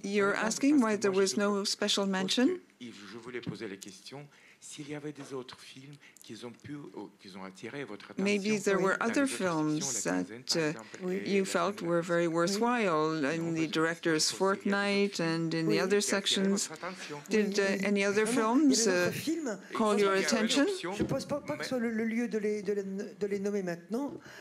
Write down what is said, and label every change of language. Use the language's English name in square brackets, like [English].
[English] You're asking why there was no special mention? [French] Je voulais poser la question s'il y avait des autres films qui ont attiré votre attention. [English] Maybe there were other films that you felt were very worthwhile in the director's Fortnight and in the other sections. Did any other films call your attention? [French] Je ne pense pas que ce soit le lieu de les nommer maintenant.